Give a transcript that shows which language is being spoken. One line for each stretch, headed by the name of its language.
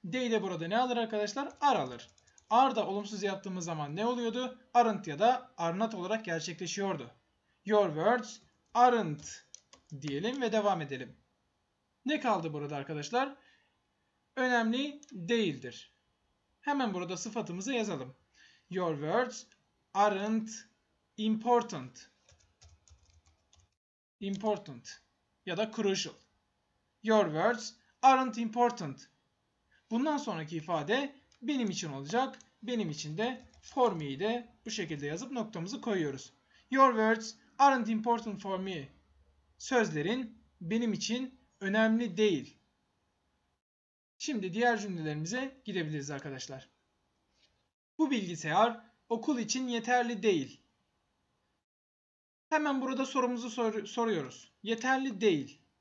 Turkish: They de burada ne alır arkadaşlar? Are alır. Are da olumsuz yaptığımız zaman ne oluyordu?
English: Aren't ya da are not
Turkish: olarak gerçekleşiyordu.
English: Your words aren't
Turkish: diyelim ve devam edelim. Ne kaldı burada arkadaşlar? Önemli değildir. Hemen burada sıfatımızı yazalım.
English: Your words aren't important. Important ya da crucial. Your words aren't important.
Turkish: Bundan sonraki ifade benim için olacak. Benim için de
English: for me'yi
Turkish: de bu şekilde yazıp noktamızı koyuyoruz.
English: Your words aren't important for me.
Turkish: Sözlerin benim için önemli değil. Şimdi diğer cümlelerimize gidebiliriz arkadaşlar. Bu bilgisayar okul için yeterli değil. Hemen burada sorumuzu soruyoruz. Yeterli değil.